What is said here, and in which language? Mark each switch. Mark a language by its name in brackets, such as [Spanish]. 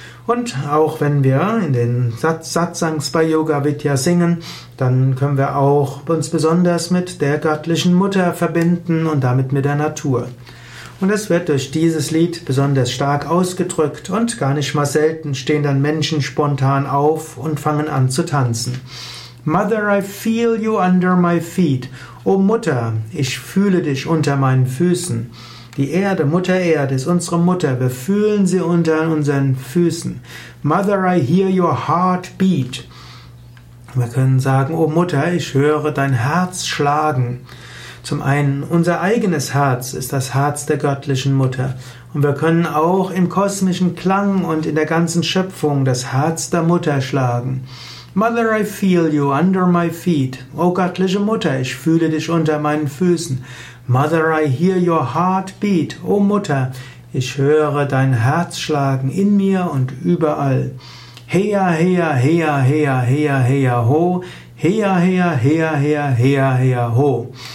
[German] Und auch wenn wir in den Satsangs bei Yoga Vidya singen, dann können wir auch uns besonders mit der göttlichen Mutter verbinden und damit mit der Natur. Und es wird durch dieses Lied besonders stark ausgedrückt und gar nicht mal selten stehen dann Menschen spontan auf und fangen an zu tanzen. [English] Mother, I feel you under my feet. [German] O Mutter, ich fühle dich unter meinen Füßen. Die Erde, Mutter Erde, ist unsere Mutter. Wir fühlen sie unter unseren Füßen. [English] Mother, I hear your heart beat. [German] Wir können sagen, O Mutter, ich höre dein Herz schlagen. Zum einen, unser eigenes Herz ist das Herz der göttlichen Mutter. Und wir können auch im kosmischen Klang und in der ganzen Schöpfung das Herz der Mutter schlagen. [English] Mother, I feel you under my feet. [German] O göttliche Mutter, ich fühle dich unter meinen Füßen. [English] Mother, I hear your heart beat. [German] O Mutter, ich höre dein Herz schlagen in mir und überall. Heya, heya, heya, heya, heya, heya, ho. Heya, heya, heya, heya, heya, heya, ho.